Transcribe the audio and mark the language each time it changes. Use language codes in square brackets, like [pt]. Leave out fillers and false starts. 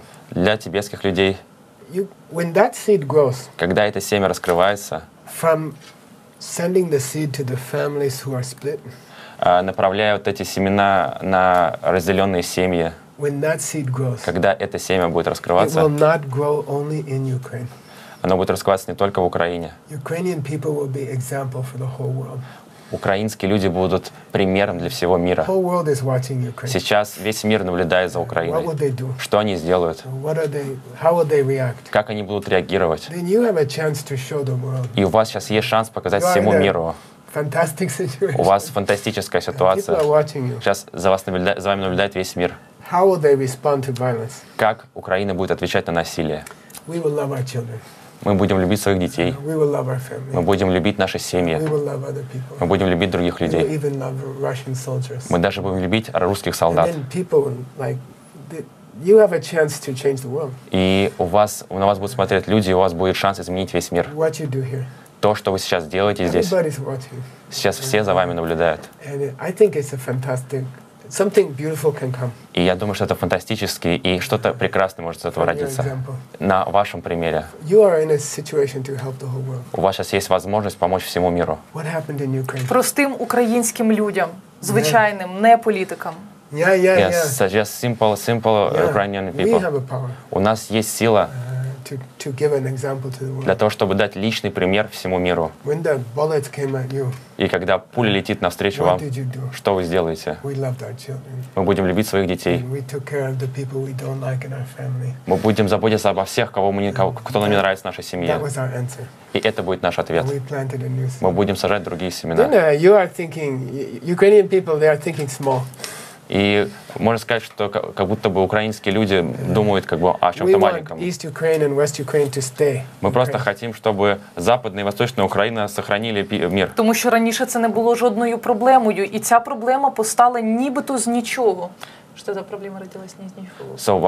[ru] Для тибетских людей, когда это семя раскрывается, [en] sending the seed to the families who are split. [ru] Направляя вот эти семена на разделенные семьи. [en] When that seed grows, [ru] когда это семя будет раскрываться, [en] it will not grow only in Ukraine. [ru] Оно будет раскрываться не только в Украине. [en] Ukrainian people will be example for the whole world. [ru] Украинские люди будут примером для всего мира. [en] Whole world is watching Ukraine. [ru] Сейчас весь мир наблюдает за Украиной. [en] What will they do? [ru] Что они сделают? [en] What are they, how will they react? [ru] Как они будут реагировать? [en] Then you have a chance to show the world. [ru] И у вас сейчас есть шанс показать всему миру. [en] Fantastic situation. [ru] У вас фантастическая ситуация. [en] People are watching you. [ru] Сейчас за вами наблюдает весь мир. [en] How will they respond to violence? [ru] Как Украина будет отвечать на насилие? [en] We will love our children. [ru] Мы будем любить своих детей. [en] We will love our family. [ru] Мы будем любить наши семьи. [en] We will love other people. [ru] Мы будем любить других людей. [en] We will even love Russian soldiers. [ru] Мы даже будем любить русских солдат. [en] And then people, like, you have a chance to change the world. [ru] И у вас, на вас будут смотреть люди, и у вас будет шанс изменить весь мир. [en] What you do here. [ru] То, что вы сейчас делаете здесь. [en] Everybody's watching. [ru] Сейчас все за вами наблюдают. [en] And I think it's a fantastic... Something beautiful can come. [ru] И я думаю, что это фантастически, и что-то прекрасное может из этого родиться. На вашем примере. [en] You are in a situation to help the whole world. [ru] У вас сейчас есть возможность помочь всему миру. [en] What happened in Ukraine? [ru] Простым украинским людям, звичайным, не политикам. [en] Yeah. Just simple Ukrainian people. We have a power. [ru] У нас есть сила. [en] To give an example to the world. [ru] Для того, чтобы дать личный пример всему миру. [en] When the bullets came at you, [ru] и когда пуля летит навстречу [en] what [ru] вам, [en] did you do? [ru] Что вы сделаете? [en] We loved our children. [ru] Мы будем любить своих детей. [en] And we took care of the people we don't like in our family. [ru] Мы будем заботиться обо всех, кто нам не нравится в нашей семье. [en] That was our answer. [ru] И это будет наш ответ. [en] And we planted a new seed. [ru] Мы будем сажать другие семена. [en] Then, you are thinking, Ukrainian people, they are thinking small. [ru] И можно сказать, что как будто бы украинские люди думают как бы о чем-то маленьком. [en] East Ukraine and West Ukraine to stay. [ru] Мы просто хотим, чтобы Западная и Восточная Украина сохранили мир. [uk] Тому що раніше це не було жодною проблемою, і ця проблема постала нібито з нічого. [ru] Що за проблема родилась не з нічого?